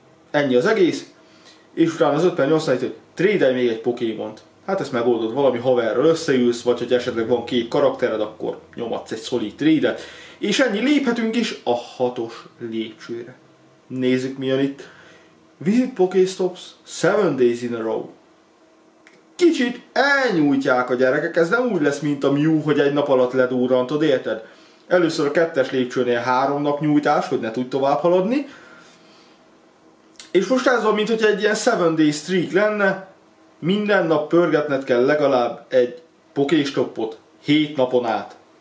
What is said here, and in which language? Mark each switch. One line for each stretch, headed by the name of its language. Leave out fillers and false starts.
Hungarian: Ennyi az egész, és utána az 58-an itt, hogy trédelj még egy Pokémont. Hát ezt megoldod, valami haverral összeülsz, vagy hogy esetleg van két karaktered, akkor nyomadsz egy szolid trédet. És ennyi, léphetünk is a 6-os lépcsőre. Nézzük mi jön itt.
English: Visit Pokéstops 7 days in a row.
Hungarian: Kicsit elnyújtják a gyerekek, ez nem úgy lesz, mint a Mew, hogy egy nap alatt ledurrantod, érted? Először a 2-es lépcsőnél 3 nap nyújtás, hogy ne tudj tovább haladni. És most ez van, mintha egy ilyen
English: 7 day streak
Hungarian: lenne, minden nap pörgetned kell legalább egy pokéstoppot 7 napon át.